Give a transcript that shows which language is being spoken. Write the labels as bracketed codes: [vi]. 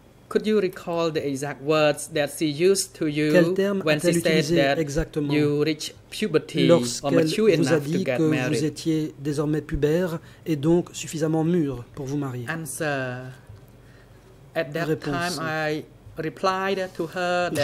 [en] Could you recall the exact words that she used to you when she said that [fr] exactement? [en] You reached puberty or mature enough to get married? [fr] Que vous étiez désormais pubère et donc suffisamment mûre pour vous marier. [en] Answer. At that time, I replied to her that,